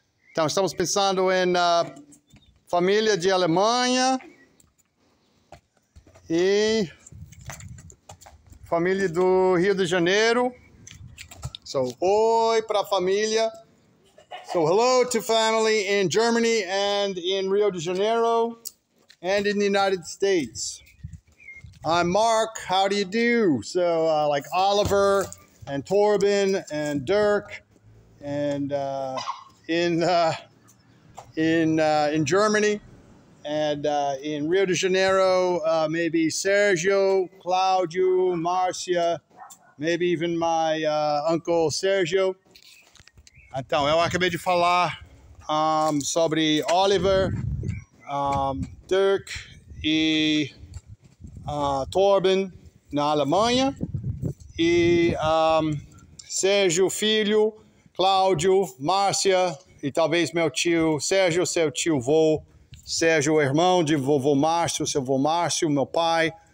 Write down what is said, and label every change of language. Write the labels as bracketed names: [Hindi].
[Portuguese] Então, estamos pensando em família de Alemanha e família do Rio de Janeiro. So, oi para a família. [English] So, hello to family in Germany and in Rio de Janeiro and in the United States. I'm Mark, how do you do? So, like Oliver and Torben and Dirk and in Germany and in Rio de Janeiro, maybe Sergio, Claudio, Marcia, maybe even my uncle Sergio. [Portuguese] Então, eu acabei de falar sobre Oliver, Dirk e Torben na Alemanha. E Sérgio, filho, Cláudio, Márcia e talvez meu tio Sérgio, seu tio vô, Sérgio, irmão de vovô Márcio, seu vô Márcio, meu pai.